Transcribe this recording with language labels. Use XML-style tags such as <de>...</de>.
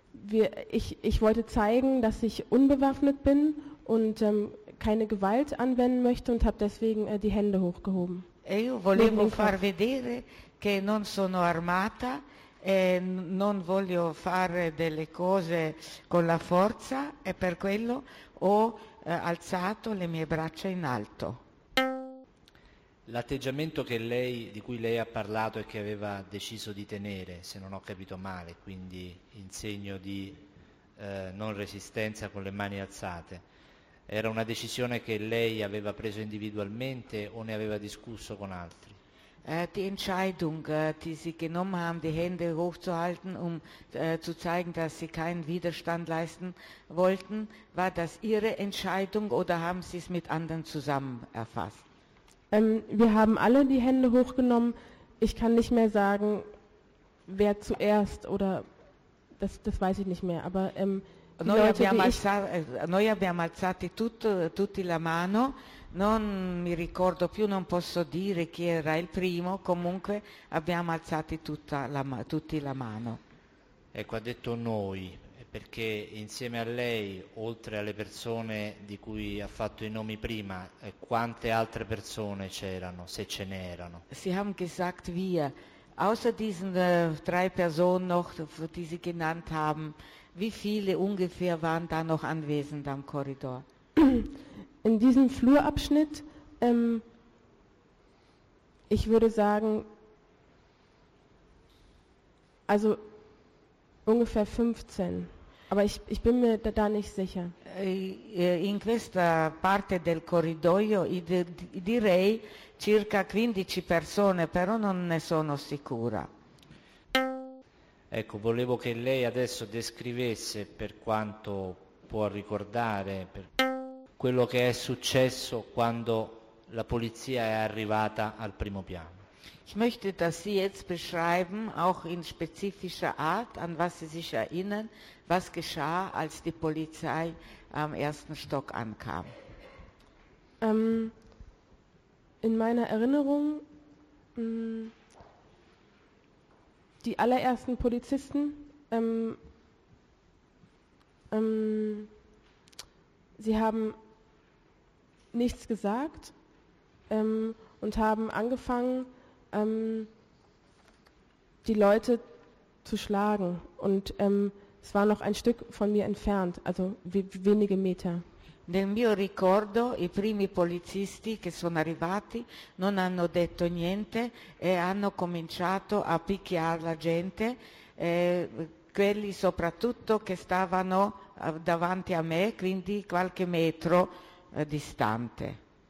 <de>Ich wollte zeigen, dass ich unbewaffnet bin und keine Gewalt anwenden möchte und habe deswegen die Hände hochgehoben.</de> <it>E io volevo far vedere che non sono armata e non voglio fare delle cose con la forza e per quello ho alzato le mie braccia in alto. L'atteggiamento che lei, di cui lei ha parlato e che aveva deciso di tenere, se non ho capito male, quindi in segno di non resistenza con le mani alzate, era una decisione che lei aveva preso individualmente o ne aveva discusso con altri?</it> <de>Die Entscheidung, die Sie genommen haben, die Hände hochzuhalten, um zu zeigen, dass Sie keinen Widerstand leisten wollten, war das Ihre Entscheidung oder haben Sie es mit anderen zusammen erfasst? Wir haben alle die Hände hochgenommen. Ich kann nicht mehr sagen, wer zuerst oder das weiß ich nicht mehr. Aber</de> <it>noi abbiamo alzati tutti la mano. Non mi ricordo più, non posso dire chi era il primo. Comunque abbiamo alzati tutti la mano. Ecco, ha detto noi, perché insieme a lei, oltre alle persone di cui ha fatto i nomi prima, quante altre persone c'erano, se ce n'erano?</it> <de>Sie haben gesagt wir, außer diesen drei Personen noch, die Sie genannt haben, wie viele ungefähr waren da noch anwesend am Korridor? In diesem Flurabschnitt, ich würde sagen, also Ungefähr 15. Aber ich bin mir da nicht sicher.</de> <it>In questa parte del corridoio direi circa 15 persone, però non ne sono sicura. Ecco, volevo che lei adesso descrivesse, per quanto può ricordare, per quello che è successo quando la polizia è arrivata al primo piano.</it> <de>Ich möchte, dass Sie jetzt beschreiben, auch in spezifischer Art, an was Sie sich erinnern, was geschah, als die Polizei am ersten Stock ankam. In meiner Erinnerung, die allerersten Polizisten, sie haben nichts gesagt und haben angefangen, die Leute zu schlagen, und es war noch ein Stück von mir entfernt, also wenige Meter.</de> <it>Nel mio ricordo, i primi polizisti che sono arrivati non hanno detto niente e hanno cominciato a picchiare la gente, quelli soprattutto che stavano davanti a me, quindi qualche metro distante.</it>